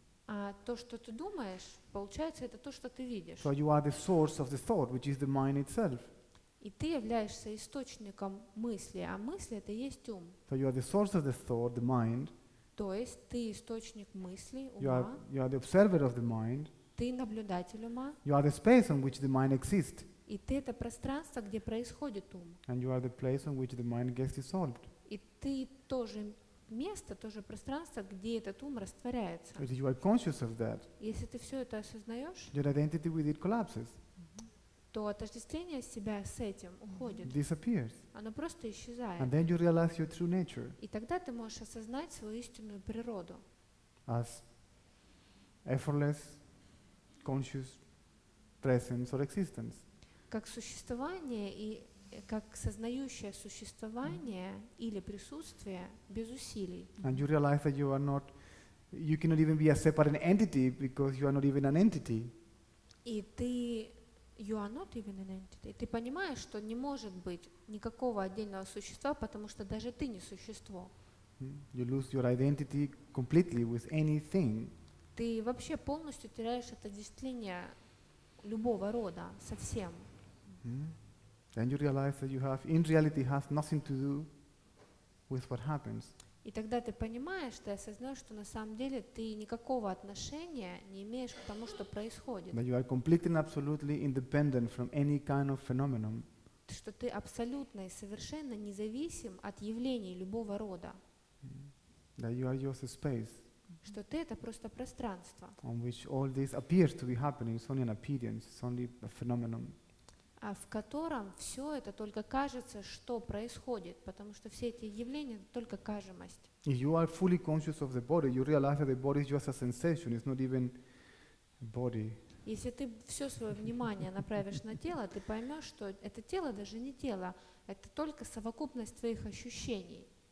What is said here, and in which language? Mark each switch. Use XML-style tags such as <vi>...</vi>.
<ru>А то, что ты думаешь, получается, это то, что ты видишь.</ru> <en>So you are the source of the thought, which is the mind itself.</en> <ru>И ты являешься источником мысли, а мысль — это и есть ум.</ru> <en>So you are the source of the thought, the mind.</en> <ru>То есть ты источник мысли, ума.</ru> <en>You are the observer of the mind.</en> <ru>Ты наблюдатель ума.</ru> <en>You are the space on which the mind exists.</en> <ru>И ты — это пространство, где происходит ум.</ru> <en>And you are the place on which the mind gets dissolved.</en> <ru>И ты тоже место, тоже пространство, где этот ум растворяется.</ru> <en>If you are conscious of that,</en> <ru>если ты все это осознаешь,</ru> <en>your identity with it collapses.</en> <ru>То отождествление себя с этим уходит.</ru> <en>Disappears.</en> <ru>Оно просто исчезает.</ru> <en>And then you realize your true nature.</en> <ru>И тогда ты можешь осознать свою истинную природу.</ru> <en>As effortless, conscious presence or existence.</en> <ru>Как существование и как сознающее существование или присутствие без усилий.</ru> <en>And you realize that you cannot even be a separate entity because you are not even an entity.</en> <ru>И ты,</ru> <en>you are not even an entity.</en> <ru>Ты понимаешь, что не может быть никакого отдельного существа, потому что даже ты не существо.</ru> <en>You lose your identity completely with anything.</en> <ru>Ты вообще полностью теряешь это отождествление любого рода, совсем.</ru> <en>Then you realize that you have, in reality, has nothing to do with what happens.</en> <ru>И тогда ты понимаешь, ты осознаешь, что на самом деле ты никакого отношения не имеешь к тому, что происходит.</ru> <en>That you are completely and absolutely independent from any kind of phenomenon.</en> <ru>Что ты абсолютно и совершенно независим от явлений любого рода.</ru> <en>That you are just a space.</en> <ru>Что ты — это просто пространство.</ru> <en>On which all this appears to be happening, it's only an appearance, it's only a phenomenon.</en> <ru>А в котором все это только кажется, что происходит, потому что все эти явления — только кажемость.</ru> <en>You are fully conscious of the body. You realize that the body is just a sensation. It's not even body.</en> <ru>Если ты все свое внимание направишь на тело, ты поймешь, что это тело даже не тело, это только совокупность твоих ощущений.</ru>